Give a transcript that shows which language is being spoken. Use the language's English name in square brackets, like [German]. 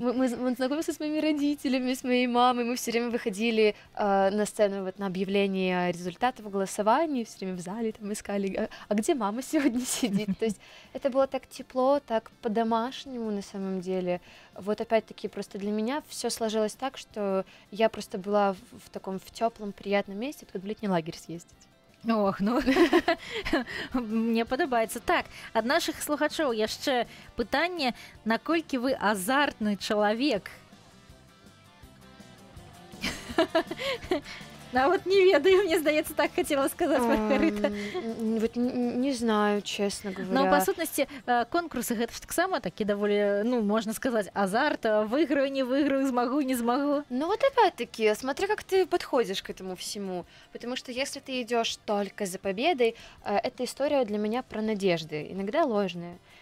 [Russian] Он знакомился с моими родителями, с моей мамой. Мы все время выходили на сцену, вот, на объявление результатов голосования, все время в зале там искали, а где мама сегодня сидит? То есть это было так тепло, так по-домашнему на самом деле. Вот опять-таки просто для меня все сложилось так, что я просто была в таком в теплом, приятном месте, как в летний лагерь съездить. [Belarusian] Ох, ну, мне падабаецца. Так, ад нашых слухачоў яшчэ пытанне, наколькі вы азартны чалавек? А вот не ведаю, мне здаецца, так хацела сказаць Маргарыта. [Russian] Вот не знаю, честно говоря. [Belarusian] Но, па сутнасці, конкурсы гэта ж таксама такі даволі, ну, можна сказаць, азарт, выйграю, не выйграю, змагу, не змагу. [Russian] Ну, вот опять-таки, смотри, как ты подходишь к этому всему. Потому что если ты идёшь только за победой, эта история для меня про надежды, иногда ложные.